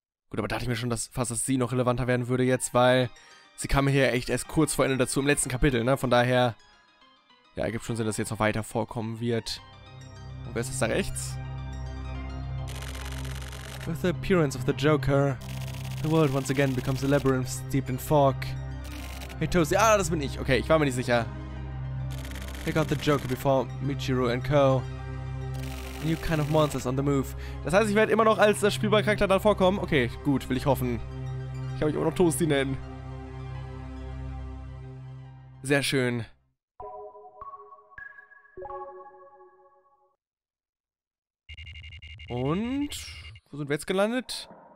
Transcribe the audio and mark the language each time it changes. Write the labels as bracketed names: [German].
[German] Gut, aber dachte ich mir schon, dass fast das sie noch relevanter werden würde jetzt, weil sie kam hier echt erst kurz vor Ende dazu im letzten Kapitel, ne? Von daher. Ja, ergibt schon Sinn, dass sie jetzt noch weiter vorkommen wird. Und wer ist das da rechts? [English] With the appearance of the Joker, the world once again becomes a labyrinth steeped in fog. [German] Hey Toasty, ah, das bin ich. Okay, ich war mir nicht sicher. [English] Pick out the Joker before Michiru and Co. A new kind of monsters on the move. [German] Das heißt, ich werde immer noch als spielbarer Charakter dann vorkommen. Okay, gut, will ich hoffen. Ich kann mich immer noch Toasty nennen. Sehr schön. Und? Wo sind wir jetzt gelandet?